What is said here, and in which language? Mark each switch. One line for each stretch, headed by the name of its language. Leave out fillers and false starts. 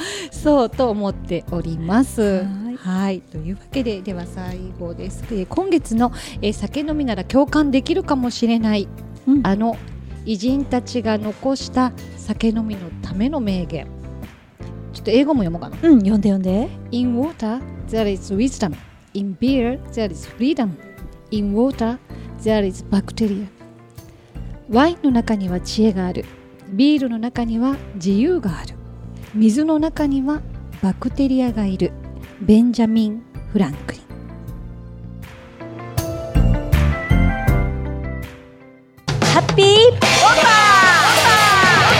Japanese: そうと思っております。はい、というわけで、では最後です。今月の、酒飲みなら共感できるかもしれない、うん、あの偉人たちが残した酒飲みのための名言、ちょっと英語も読もうかな。うん、読んで読んで。
English: In water there is wisdom, in beer there is freedom, in waterThere is bacteria.
Japanese: ワインの中には知恵がある。ビールの中には自由がある。水の中にはバクテリアがいる。ベンジャミン・フランクリン。ハッピー！オッパー！